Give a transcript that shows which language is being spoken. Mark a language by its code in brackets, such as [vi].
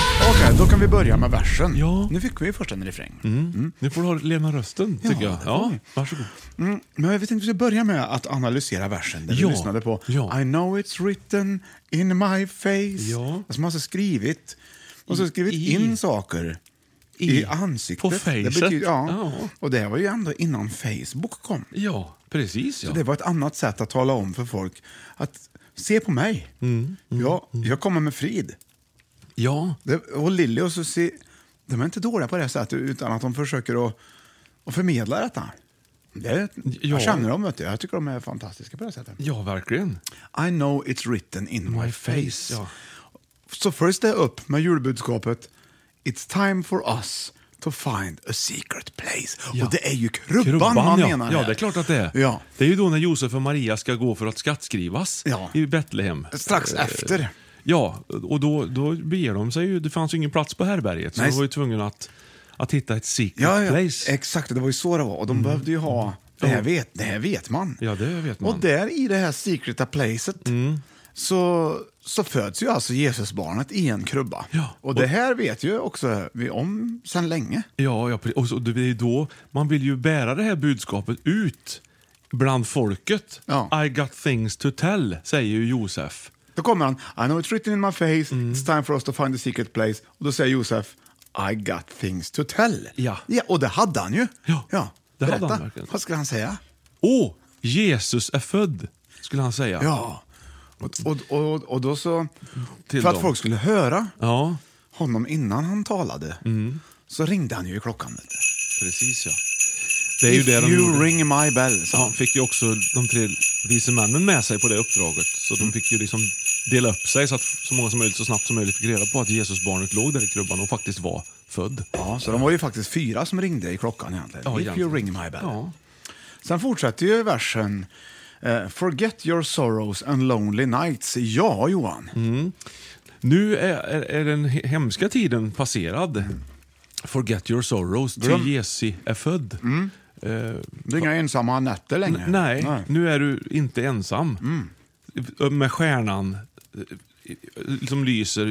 [sv] Okej, då kan vi börja med versen. Ja. Nu fick vi ju först en refräng. Nu får du ha Lena rösten, tycker jag. Ja, varsågod. Men jag vet inte, vi ska börja med att analysera versen där du lyssnade på. Ja. [en] I know it's written in my face. [sv] Ja. Alltså man har så skrivit. Och så skrivit in saker i ansiktet. På facet. Det betyder, ja. Och det var ju ändå innan Facebook kom. Ja, precis. Ja. Så det var ett annat sätt att tala om för folk. Att se på mig. Jag kommer med frid. Ja. Och Lille och Susie, de är inte dåliga på det sättet utan att de försöker att förmedla detta. Jag känner dem, vet du. Jag tycker de är fantastiska på det sättet. Ja, verkligen. [en] I know it's written in my face. [sv] Ja. Så först det upp med julbudskapet. [en] It's time for us to find a secret place. [sv] Ja. Och det är ju krubban man menar. Ja, det är klart att det är. Ja. Det är ju då när Josef och Maria ska gå för att skattskrivas i Betlehem. Strax efter. Ja, och då beger de sig ju. Det fanns ju ingen plats på härberget. Så de var ju tvungna att hitta ett secret place. Exakt, det var ju så det var. Och de behövde ju ha, det här vet man. Ja, det vet man. Och där i det här secreta placet så föds ju alltså Jesusbarnet i en krubba. Ja, och det här vet ju också vi om sedan länge. Ja, och så, det är ju då man vill ju bära det här budskapet ut bland folket. Ja. [en] I got things to tell, [sv] säger ju Josef. Då kommer han, [en] I know it's written in my face, it's time for us to find the secret place. [sv] Och då säger Josef, [en] I got things to tell. [sv] Ja. Ja, och det hade han ju. Ja, det berätta, hade han verkligen. Vad skulle han säga? Åh, Jesus är född, skulle han säga. Ja, och då så, till för att folk skulle höra honom innan han talade, så ringde han ju i klockan. Precis, ja. Det är ju det de gjorde. [en] Ring my bell. [sv] Så. Ja, fick ju också de tre vise männen med sig på det uppdraget. Så de fick ju liksom dela upp sig så att så många som möjligt så snabbt som möjligt fick reda på att Jesus barnet låg där i krubban och faktiskt var född. Ja, så de var ju faktiskt fyra som ringde i klockan egentligen. Ja, egentligen. [en] You ring my bell. [sv] Ja. Sen fortsätter ju versen. [en] Forget your sorrows and lonely nights. [sv] Ja, Johan. Nu är den hemska tiden passerad. [en] Forget your sorrows, [sv] till Jesi är född. Det är inga ensamma nätter längre. Nej, nu är du inte ensam. Med stjärnan som lyser på